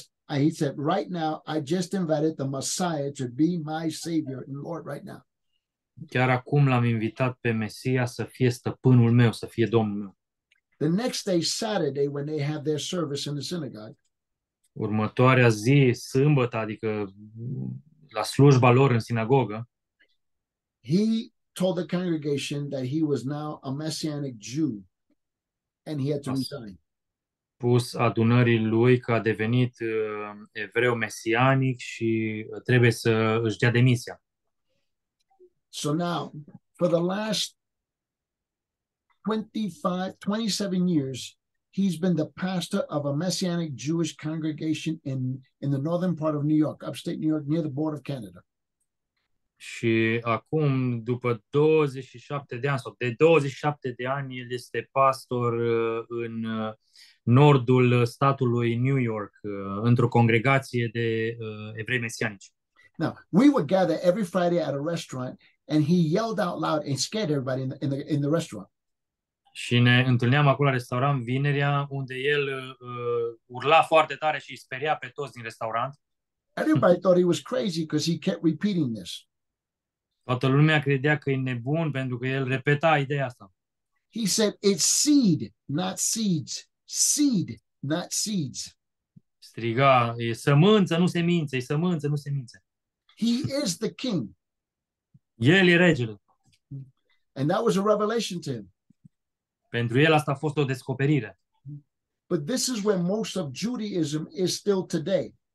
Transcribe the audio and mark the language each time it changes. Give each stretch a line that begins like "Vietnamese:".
English: He said, right now, I just invited the Messiah to be my Savior and Lord right now.
Romanian: Chiar acum l-am invitat pe Mesia să fie stăpânul meu, să fie Domnul meu.
English: The next day, Saturday, when they have their service in the synagogue.
Romanian: Următoarea zi, sâmbătă, adică la slujba lor în sinagogă.
English: He told the congregation that he was now a messianic Jew and he had to resign.
Romanian: Pus adunării lui că a devenit evreu mesianic și trebuie să își dea demisia.
English: So now, for the last 27 years, he's been the pastor of a Messianic Jewish congregation in the northern part of New York, upstate New York, near the border of Canada.
Romanian: Și acum, după 27 de ani, sau de 27 de ani, el este pastor în nordul statului New York, într-o congregație de evrei mesianici.
English: Now, we would gather every Friday at a restaurant, and he yelled out loud and scared everybody in the restaurant.
Romanian: Și ne întâlneam acolo la restaurant vinerea, unde el urla foarte tare și speria pe toți din restaurant.
English: Everybody thought he was crazy because he kept repeating this.
Romanian: Toată lumea credea că e nebun pentru că el repeta ideea asta.
English: He said, it's seed, not seeds. Seed, not seeds.
Romanian: Striga, e sămânță, nu semințe, e sămânță, nu semințe.
English: He is the king.
Romanian: El e regele.
English: And that was a revelation to him.
Romanian: Pentru el asta a fost o descoperire.
English: But this is where most of Judaism is still today.